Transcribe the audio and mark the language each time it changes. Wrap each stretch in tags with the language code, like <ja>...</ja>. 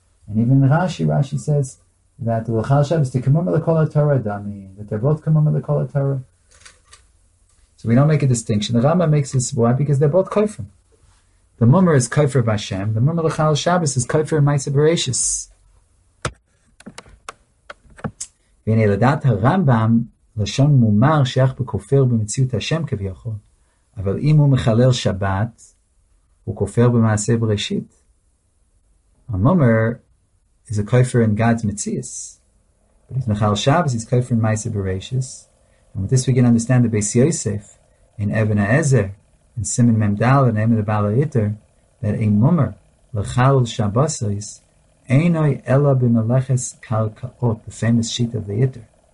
<en>And even Rashi says that the L'Chal Shabbos to K'mo L'Kol HaTorah Dami, that they're both K'mo L'Kol HaTorah. So we don't make a distinction. The Rambam makes this, why? Because they're both Kofer. The Mumer is Kofer B'Hashem, the Mumer L'Chal Shabbos is Kofer B'Maisef B'Rashis.</en> <he>V'nei L'dat HaRambam לשון מומר שייך בכופר במציאות השם כביכול. אבל אם הוא מחלל שבת, הוא כופר במעשה בראשית.</he> <en>המומר is a kofer in God's mitzius. But he's mechal Shabbos, he's kofer in Maaseh Bereishis. And with this we can understand the Beis Yosef in Eben HaEzer, in Simen Mem Dal, in Eben HaBal HaYitr, that a mumer, lechal Shabbosos,</en> <he>einoi ela b'meleches kalkaot,</he> <en>the famous sheet of the Yitr.</en>